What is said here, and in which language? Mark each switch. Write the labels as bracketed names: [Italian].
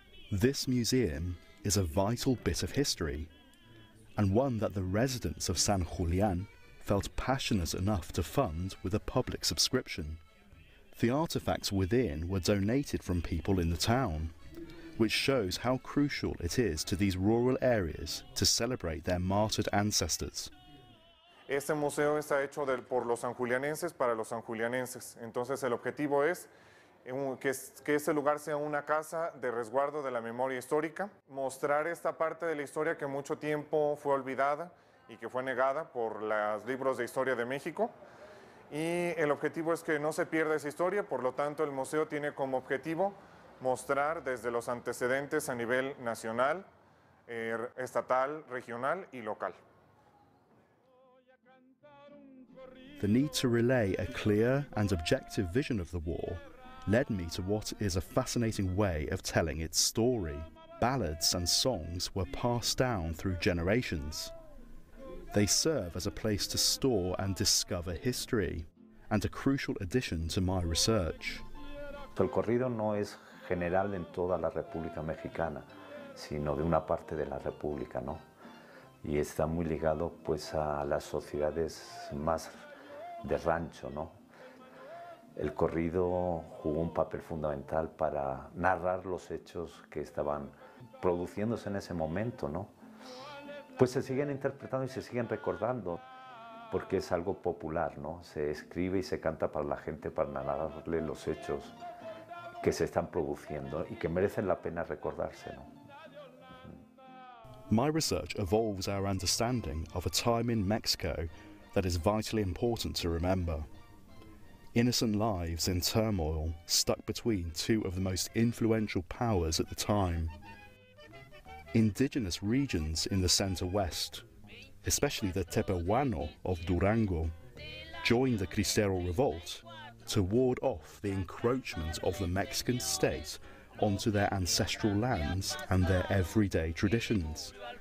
[English] This museum is a vital bit of history, and one that the residents of San Julián felt passionate enough to fund with a public subscription. The artifacts within were donated from people in the town, which shows how crucial it is to these rural areas to celebrate their martyred ancestors. [Spanish] Este museo está hecho por los sanjulianenses para los sanjulianenses. Entonces el objetivo es que este lugar sea una casa de resguardo de la memoria histórica, mostrar esta parte de la historia que mucho tiempo fue olvidada y que fue negada por los libros de historia de México. Y el objetivo es que no se pierda esa historia, por lo tanto el museo tiene como objetivo mostrar desde los antecedentes a nivel nacional, estatal, regional y local. [English] The need to relay a clear and objective vision of the war led me to what is a fascinating way of telling its story. Ballads and songs were passed down through generations. They serve as a place to store and discover history, and a crucial addition to my research. [Spanish] El corrido no es general en toda la República Mexicana, sino de una parte de la República, ¿no? Y está muy ligado, pues, a las sociedades más de rancho, ¿no? El corrido jugó un papel fundamental para narrar los hechos que estaban produciéndose en ese momento, ¿no? Pues se siguen interpretando y se siguen recordando, porque es algo popular, ¿no? Se escribe y se canta para la gente, para narrarle los hechos que se están produciendo y que merecen la pena recordarse, ¿no? [English] My research evolves our understanding of a time in Mexico that is vitally important to remember. Innocent lives in turmoil, stuck between two of the most influential powers at the time. Indigenous regions in the center-west, especially the Tepehuano of Durango, joined the Cristero revolt to ward off the encroachment of the Mexican state onto their ancestral lands and their everyday traditions.